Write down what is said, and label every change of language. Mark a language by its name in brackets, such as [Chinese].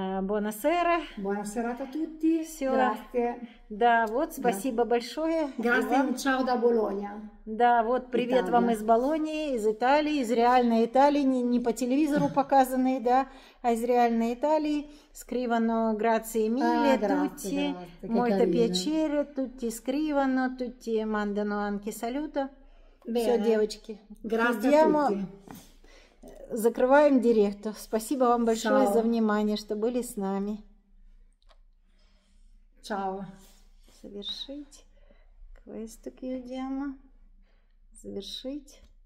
[Italian] Buonasera. Buonasera a tutti. [Russian] Всё. [Italian] Grazie. [Russian] Да, вот, спасибо большое. [Italian] Grazie, ciao da Bologna. [Russian] Да, вот, привет Италия. Вам из Болонии, из Италии, из реальной Италии, не по телевизору показанной, да, а из реальной Италии. [Italian] Scrivono grazie mille tutti, molto piacere, tutti scrivono, tutti mandano anche saluto. [Russian] Всё, девочки. [Italian] Grazie a tutti. [Russian] Закрываем директ. Спасибо вам большое Чао. За внимание, что были с нами. Чао. Совершить. Квест Кьюдиама. Завершить.